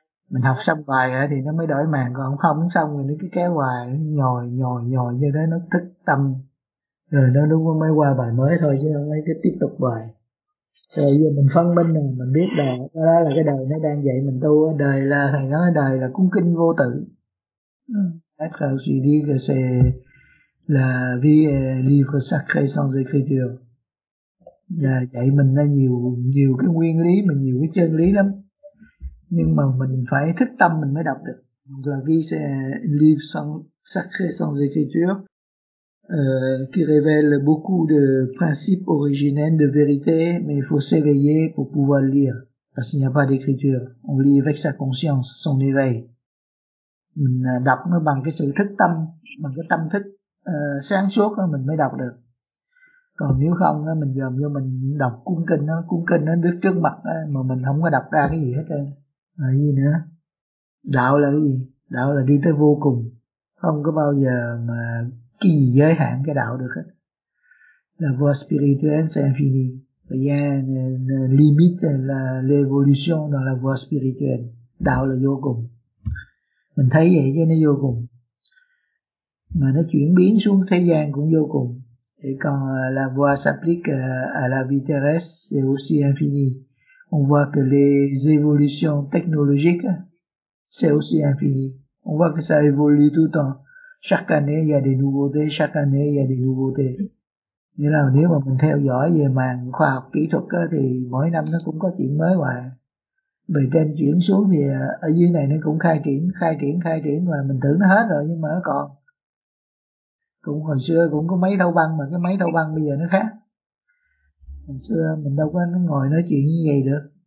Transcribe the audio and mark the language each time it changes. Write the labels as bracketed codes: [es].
[vi] Mình học xong bài thì nó mới đổi màn, còn không xong thì nó cứ kéo hoài, nó nhồi nhồi nhồi như thế, nó thức tâm. Rồi nó đúng mới qua bài mới thôi chứ không lấy cái tiếp tục bài. Rồi giờ mình phân minh nè, mình biết đời, cái đó là cái đời nó đang dạy mình tu. Đời là, thầy nói đời là cuốn kinh vô tự. [fr] FLCDGC là vie livre sacré sans écriture. [vi] Là dạy mình nó nhiều, nhiều cái nguyên lý, mà nhiều cái chân lý lắm. Nhưng mà mình phải thức tâm mình mới đọc được. [fr] Là vie livre sacré sans écriture. Qui révèle beaucoup de principes originels de vérité, mais il faut s'éveiller pour pouvoir lire, parce qu'il n'y a pas d'écriture. On lit avec sa conscience, son éveil. [vi] Mình đọc nó bằng cái sự thức tâm, bằng cái tâm thức sáng suốt mình mới đọc được. Còn nếu không mình dòm vô mình đọc cuốn kinh nó đứt trước mặt mà mình không có đọc ra cái gì hết. Là gì nữa? Đạo là cái gì? Đạo là đi tới vô cùng, không có bao giờ mà cái gì giới hạn cái đạo được hết. [fr] La voie spirituelle c'est infini. Rien ne limite l'évolution dans la voie spirituelle. [vi] Đạo là vô cùng. Mình thấy vậy chứ nó vô cùng. Mà nó chuyển biến xuống thế gian cũng vô cùng. [fr] Et quand la voie s'applique à la vie terrestre, c'est aussi infini. On voit que les évolutions technologiques, c'est aussi infini. On voit que ça évolue tout le temps. Chaque année il y a des nouveautés, chaque année il y a des nouveautés. [vi] Nghĩa là nếu mà mình theo dõi về màn khoa học kỹ thuật á, thì mỗi năm nó cũng có chuyện mới hoài. Bề trên chuyển xuống thì ở dưới này nó cũng khai triển và mình tưởng nó hết rồi nhưng mà nó còn. Cũng hồi xưa cũng có máy thâu băng mà cái máy thâu băng bây giờ nó khác. Hồi xưa mình đâu có ngồi nói chuyện như vậy được.